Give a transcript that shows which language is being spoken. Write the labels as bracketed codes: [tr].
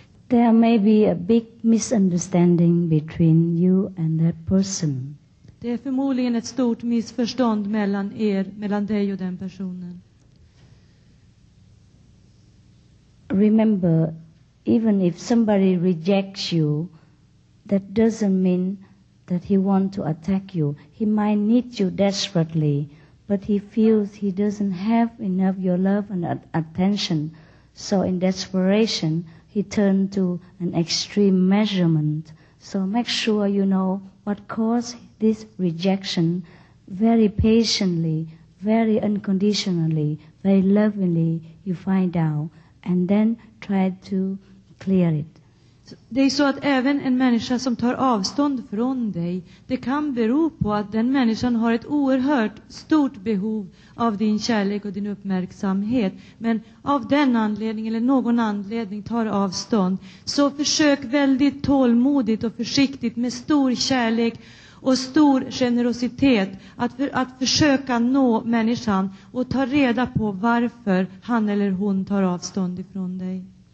[en] There may be a big misunderstanding between you and that person. [sv] Det är förmodligen ett stort missförstånd mellan er, mellan dig och den personen. [en] Remember, even if somebody rejects you, that doesn't mean that he wants to attack you. He might need you desperately, but he feels he doesn't have enough your love and attention. So in desperation, he turned to an extreme measurement. So make sure you know what caused this rejection very patiently, very unconditionally, very lovingly, you find out, and then try to clear it. [sv] Det är så att även en människa som tar avstånd från dig, det kan bero på att den människan har ett oerhört stort behov av din kärlek och din uppmärksamhet. Men av den anledningen eller någon anledning tar avstånd. Så försök väldigt tålmodigt och försiktigt med stor kärlek och stor generositet att försöka nå människan och ta reda på varför han eller hon tar avstånd ifrån dig.